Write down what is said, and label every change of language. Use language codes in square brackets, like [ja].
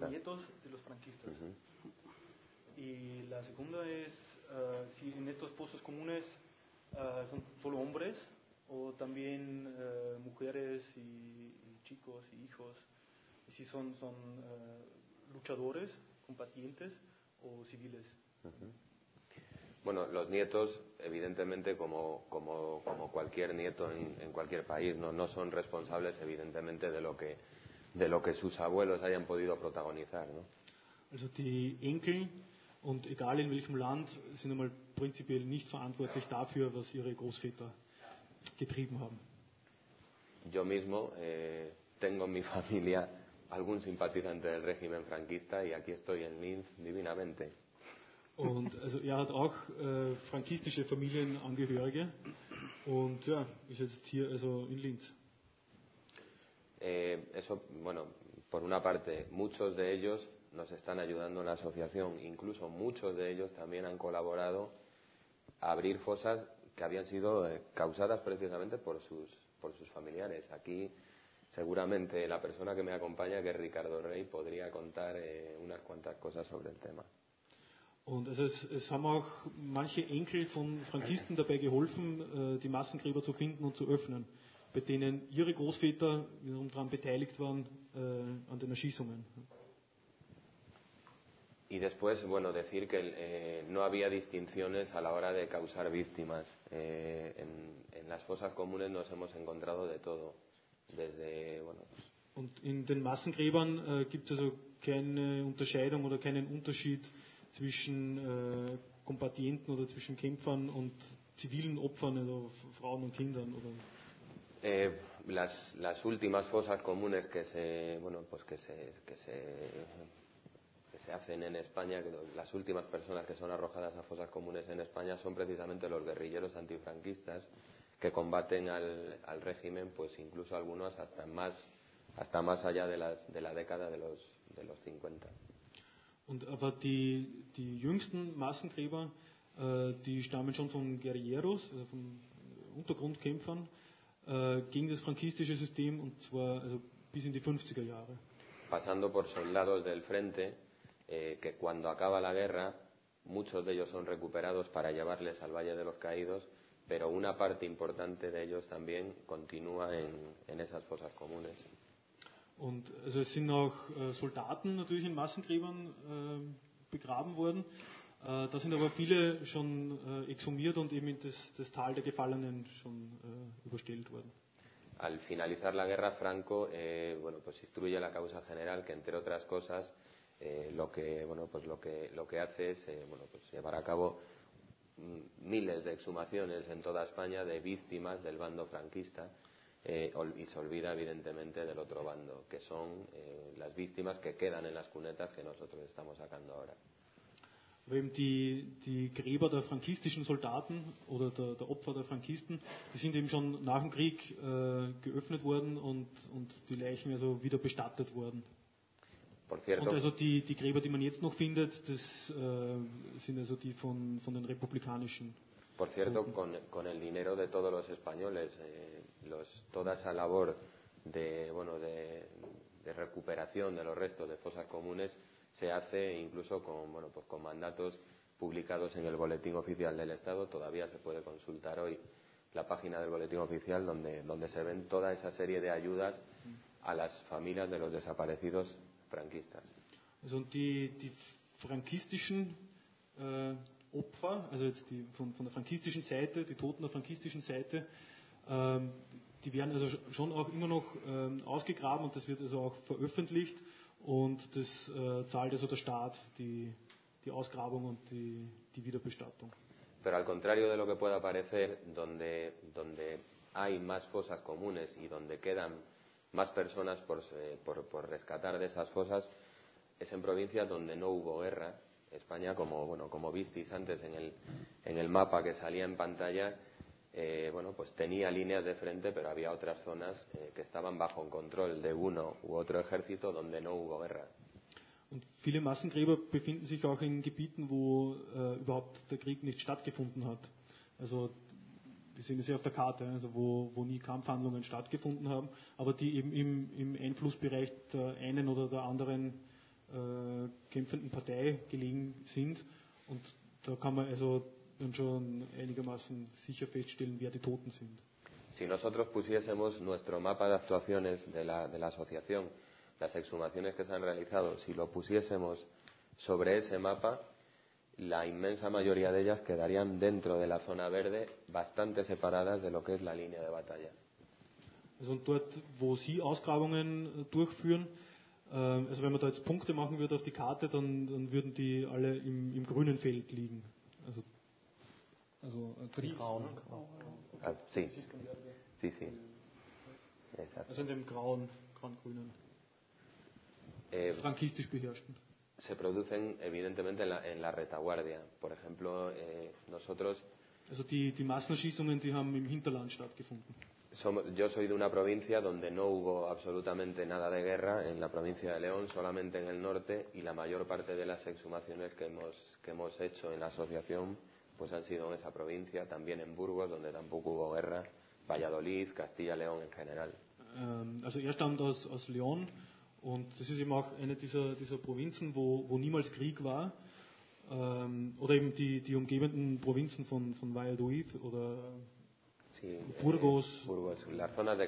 [es] Los nietos de los franquistas. Uh-huh. Y la segunda es si en estos pozos comunes son solo hombres o también mujeres y chicos y hijos, si son luchadores, combatientes o civiles. Uh-huh. Bueno, los nietos, evidentemente, como cualquier nieto en cualquier país, no son responsables, evidentemente, de lo que sus abuelos hayan podido protagonizar, ¿no? [de] Also die Enkel, und egal in welchem Land, sind einmal prinzipiell nicht verantwortlich dafür, was ihre Großväter getrieben haben. [es] Yo mismo tengo en mi familia algún simpatizante del régimen franquista y aquí estoy en Linz divinamente. [de] Und also er hat auch frankistische Familienangehörige und ja, ist jetzt hier also in Linz. [es] Eso, bueno, Por una parte, muchos de ellos nos están ayudando en la asociación, incluso muchos de ellos también han colaborado a abrir fosas que habían sido causadas precisamente por sus familiares. Aquí, seguramente, la persona que me acompaña, que es Ricardo Rey, podría contar unas cuantas cosas sobre el tema. [de] Und es haben auch manche Enkel von Frankisten dabei geholfen, die Massengräber zu finden und zu öffnen, bei denen ihre Großväter wiederum daran beteiligt waren an den Erschießungen. [es] Y después, bueno, decir que no había distinciones a la hora de causar víctimas. En las fosas comunes nos hemos encontrado de todo, desde, bueno. Pues, [de] und in den Massengräbern gibt es also keine Unterscheidung oder keinen Unterschied zwischen Kombatienten oder zwischen Kämpfern und zivilen Opfern, also Frauen und Kindern oder. [es] Las últimas fosas comunes que se, bueno, pues que se hacen en España, las últimas personas que son arrojadas a fosas comunes en España son precisamente los guerrilleros antifranquistas que combaten al régimen, pues incluso algunos hasta más allá de la década de los 50. [de] Und aber die jüngsten Massengräber, die stammen schon von Guerilleros, also von Untergrundkämpfern, gegen das frankistische System, und zwar also bis in die 50er Jahre. [es] Pasando por soldados del frente, que cuando acaba la guerra, muchos de ellos son recuperados para llevarles al Valle de los Caídos, pero una parte importante de ellos también continúa en esas fosas comunes. [de] Und also es sind auch Soldaten natürlich in Massengräbern begraben worden. Da sind aber viele schon exhumiert und eben in das Tal der Gefallenen schon überstellt worden. [es] Al finalizar la guerra, Franco instruye la causa general, que entre otras cosas lo que hace es llevar a cabo miles de exhumaciones en toda España de víctimas del bando franquista. Y se olvida evidentemente del otro bando, que son las víctimas que quedan en las cunetas que nosotros estamos sacando ahora. [de] Die Gräber der frankistischen Soldaten oder der Opfer der Frankisten, die sind eben schon nach dem Krieg geöffnet worden und die Leichen also wieder bestattet worden. [es] Por cierto, [de] und also die Gräber, die man jetzt noch findet, das sind also die von den republikanischen. [es] Por cierto, con el dinero de todos los españoles, toda esa labor de recuperación de los restos de fosas comunes se hace incluso con mandatos publicados en el Boletín Oficial del Estado. Todavía se puede consultar hoy la página del Boletín Oficial donde se ven toda esa serie de ayudas a las familias de los desaparecidos franquistas. [de] Son die frankistischen Opfer, also jetzt die von der frankistischen Seite, die Toten der frankistischen Seite, die werden also schon auch immer noch ausgegraben und das wird also auch veröffentlicht und das zahlt also der Staat die Ausgrabung und die Wiederbestattung. [es] Pero al contrario de lo que pueda parecer, donde hay más fosas comunes y donde quedan más personas por rescatar de esas fosas, es en provincias donde no hubo guerra. España, como visteis antes en el mapa que salía en pantalla, tenía líneas de frente, pero había otras zonas que estaban bajo control de uno u otro ejército donde no hubo guerra. [de] Und viele Massengräber befinden sich auch in Gebieten, wo überhaupt der Krieg nicht stattgefunden hat. Also wir sehen es ja auf der Karte, also wo nie Kampfhandlungen stattgefunden haben, aber die eben im Einflussbereich der einen oder der anderen kämpfenden Partei gelegen sind, und da kann man also dann schon einigermaßen sicher feststellen, wer die Toten sind. [es] Si nosotros pusiésemos nuestro mapa de actuaciones de la asociación, las exhumaciones que se han realizado, si lo pusiésemos sobre ese mapa, la inmensa mayoría de ellas quedarían dentro de la zona verde, bastante separadas de lo que es la línea de batalla. [de] Also dort, wo Sie Ausgrabungen durchführen, also wenn man da jetzt Punkte machen würde auf die Karte, dann würden die alle im grünen Feld liegen. Also die grauen. [es] Sí. [de] Also in dem grauen, grauen-grünen, frankistisch beherrschten. [es] Se producen evidentemente en la retaguardia. Por ejemplo, nosotros. [de] Also die Massenerschießungen, die haben im Hinterland stattgefunden. [es] Yo soy de una provincia donde no hubo absolutamente nada de guerra, en la provincia de León, solamente en el norte, y la mayor parte de las exhumaciones que hemos hecho en la asociación pues han sido en esa provincia, también en Burgos, donde tampoco hubo guerra, Valladolid, Castilla-León en general. [de] Also er stammt aus León, und das ist eben auch eine dieser Provinzen, wo niemals Krieg war, oder eben die umgebenden Provinzen von Valladolid oder [es] sí, Burgos, Burgos, las zonas de